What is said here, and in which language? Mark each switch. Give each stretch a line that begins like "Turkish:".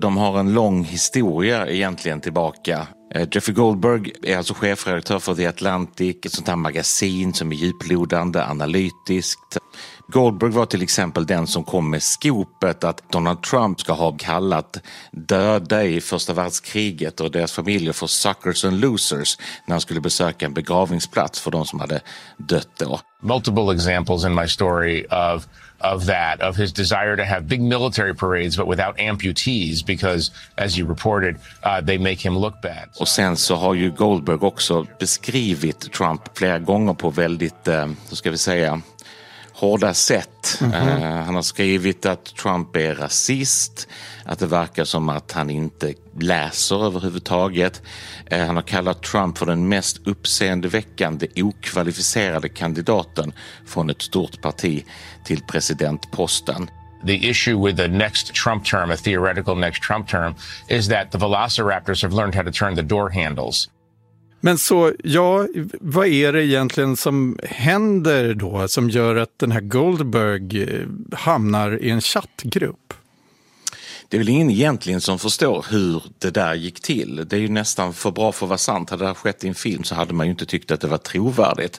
Swedish: De har en lång historia egentligen tillbaka. Jeffrey Goldberg är alltså chefredaktör för The Atlantic, ett sånt här magasin som är djuplodande, analytiskt. Goldberg var till exempel den som kom med skopet att Donald Trump ska ha kallat döda i första världskriget och deras familjer för
English: suckers and losers
Swedish: när han skulle besöka en begravningsplats för de som hade dött då.
English: Multiple examples in my story of that, of his desire to have big military parades but without amputees because, as you reported, they make him look bad.
Swedish: Och sen så har ju Goldberg också beskrivit Trump flera gånger på väldigt, hur ska vi säga, hårda sätt. Mm-hmm. Han har skrivit att Trump är rasist, att det verkar som att han inte läser överhuvudtaget. Han har kallat Trump för den mest uppseendeväckande, okvalificerade kandidaten från ett stort parti till presidentposten.
English: The issue with the next Trump term, a theoretical next Trump term, is that the velociraptors have learned how to turn the door handles.
Swedish: Men så, ja, vad är det egentligen som händer då som gör att den här Goldberg hamnar i en chattgrupp? Det är väl ingen egentligen som förstår hur det där gick till. Det är ju nästan för bra för att vara sant. Hade det skett i en film så hade man ju inte tyckt att det var trovärdigt.